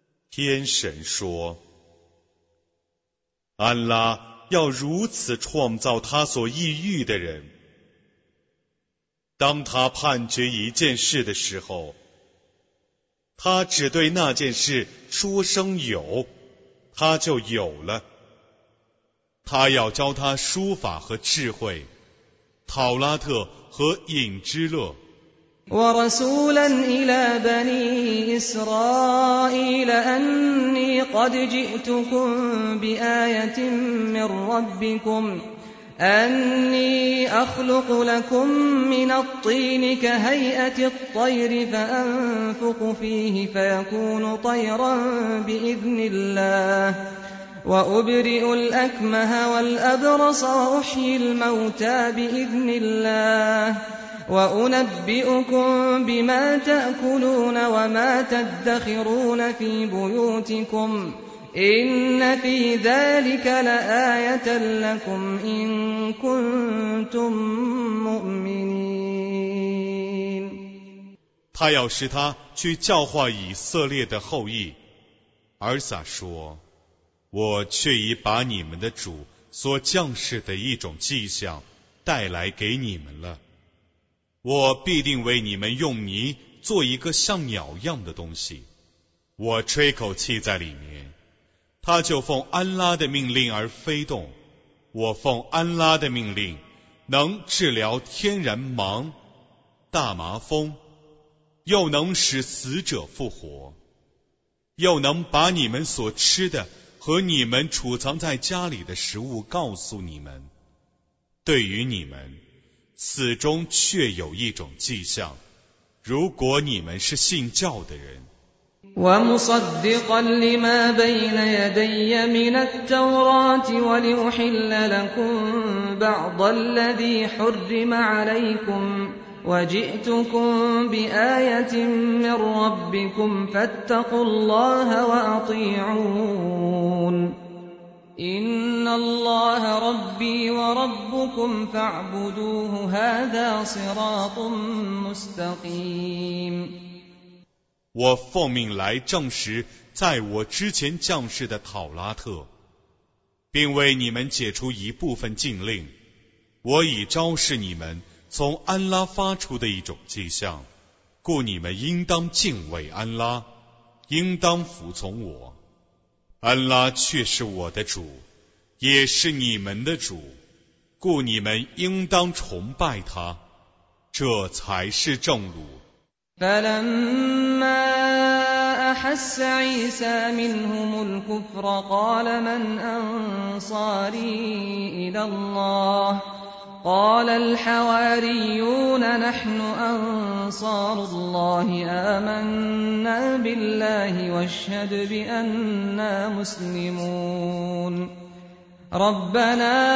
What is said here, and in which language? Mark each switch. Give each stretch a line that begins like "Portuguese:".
Chinese: 天神说：安拉要如此创造他所抑郁的人，当他判决一件事的时候，他只对那件事说声有，他就有了。他要教他书法和智慧，讨拉特和隐之乐。
Arabic: ورسولا إلى بني إسرائيل أني قد جئتكم بآية من ربكم أني أخلق لكم من الطين كهيئة الطير فأنفق فيه فيكون طيرا بإذن الله وأبرئ الأكمه والأبرص وأحيي الموتى بإذن الله وأنبئكم بما تأكلون وما تدخرون في بيوتكم إن في ذلك لآية لكم إن كنتم مؤمنين
Chinese: 他要使他去教化以色列的后裔，尔撒说，我却已把你们的主所降世的一种迹象带来给你们了，我必定为你们用泥做一个像鸟样的东西，我吹口气在里面，它就奉安拉的命令而飞动。我奉安拉的命令，能治疗天然盲、大麻风，又能使死者复活，又能把你们所吃的和你们储藏在家里的食物告诉你们。对于你们死中却有一种迹象，如果你们是信教的人。
Arabic: ومصدقا لما بين يدي من التوراة ولأحل لكم بعض الذي حرم عليكم وجئتكم بآية من ربكم فاتقوا الله وأطيعون إن الله ربي وربكم فاعبدوه هذا صراط مستقيم
Chinese: 我奉命来证实在我之前降世的讨拉特，并为你们解除一部分禁令，我已昭示你们从安拉发出的一种迹象，故你们应当敬畏安拉，应当服从我。安拉却是我的主，也是你们的主，故你们应当崇拜他，这才是正路。
Arabic: فَلَمَّا أَحَسَّ عِيسَى مِنْهُمُ الْكُفْرَ قَالَ مَنْ أَنْصَارِي إِلَى اللَّهِ قَالَ الْحَوَارِيُّونَ نَحْنُ أَنْصَارُ اللَّهِ آمَنَّا بِاللَّهِ وَاشْهَدْ بِأَنَّا مُسْلِمُونَ ربنا